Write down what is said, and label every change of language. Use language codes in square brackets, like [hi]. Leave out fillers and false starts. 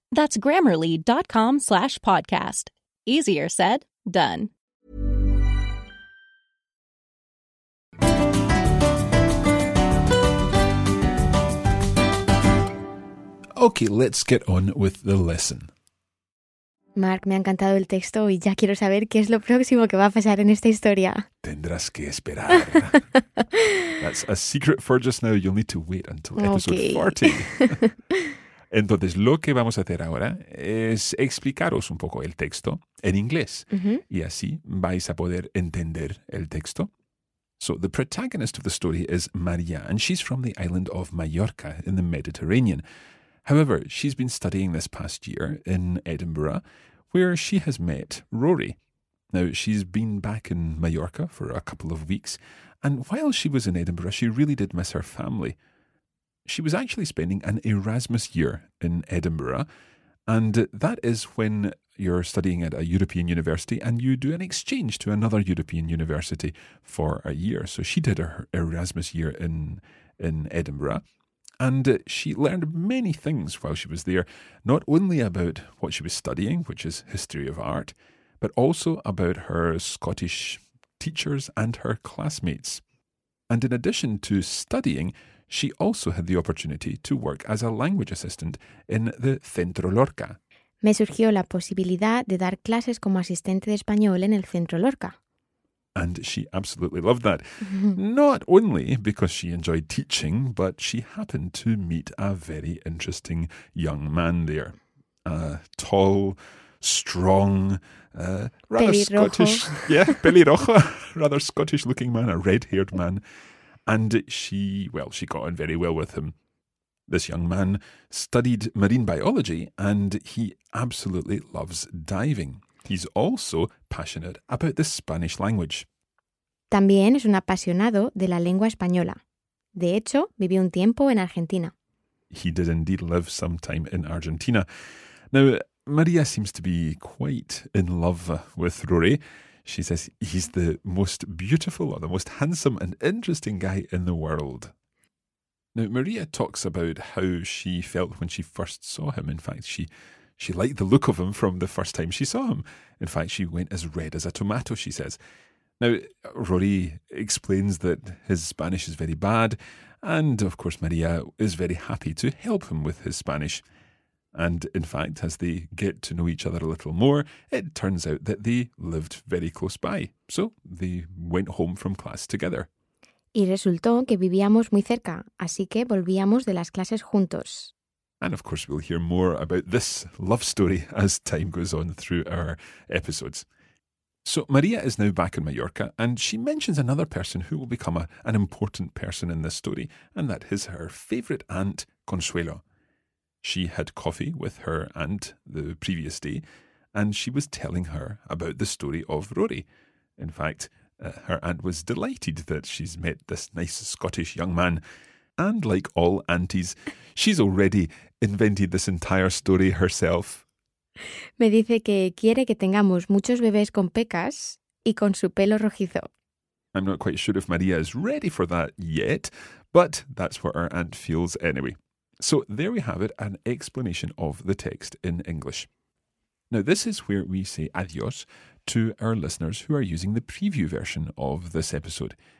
[en] That's grammarly.com/podcast. Easier said, done. Okay, let's get on with the lesson. [es] Mark, me ha encantado el texto y ya quiero saber qué es lo próximo que va a pasar en esta historia. Tendrás que esperar. [en] That's a secret for just now. You'll need to wait until episode 40. [es] Entonces, lo que vamos a hacer ahora es explicaros un poco el texto en inglés. Uh-huh. Y así vais a poder entender el texto. [en] So, the protagonist of the story is María, and she's from the island of Mallorca in the Mediterranean. However, she's been studying this past year in Edinburgh, where she has met Rory. Now, she's been back in Mallorca for a couple of weeks, and while she was in Edinburgh, she really did miss her family. She was actually spending an Erasmus year in Edinburgh, and that is when you're studying at a European university and you do an exchange to another European university for a year. So she did her Erasmus year in Edinburgh, and she learned many things while she was there, not only about what she was studying, which is history of art, but also about her Scottish teachers and her classmates. And in addition to studying, she also had the opportunity to work as a language assistant in the Centro Lorca. [es] Me surgió la posibilidad de dar clases como asistente de español en el Centro Lorca. [en] And she absolutely loved that. Not only because she enjoyed teaching, but she happened to meet a very interesting young man there. A tall, strong, rather [es] pelirrojo. [en] Scottish. Yeah, pelirrojo. Rather Scottish looking man, a red-haired man. And she got on very well with him. This young man studied marine biology and he absolutely loves diving. He's also passionate about the Spanish language. [es] También es un apasionado de la lengua española. De hecho, vivió un tiempo en Argentina. [en] He did indeed live some time in Argentina. Now, María seems to be quite in love with Rory. She says he's the most beautiful or the most handsome and interesting guy in the world. Now, María talks about how she felt when she first saw him. In fact, she liked the look of him from the first time she saw him. In fact, she went as red as a tomato, she says. Now, Rory explains that his Spanish is very bad. And, of course, María is very happy to help him with his Spanish. And in fact, as they get to know each other a little more, it turns out that they lived very close by. So they went home from class together. [es] Y resultó que vivíamos muy cerca, así que volvíamos de las clases juntos. [en] And of course, we'll hear more about this love story as time goes on through our episodes. So María is now back in Mallorca, and she mentions another person who will become an important person in this story, and that is her favourite aunt, Consuelo. She had coffee with her aunt the previous day, and she was telling her about the story of Rory. In fact, her aunt was delighted that she's met this nice Scottish young man. And like all aunties, she's already invented this entire story herself. [es] Me dice que quiere que tengamos muchos bebés con pecas y con su pelo rojizo. [en] I'm not quite sure if María is ready for that yet, but that's what her aunt feels anyway. So there we have it, an explanation of the text in English. Now, this is where we say adios to our listeners who are using the preview version of this episode.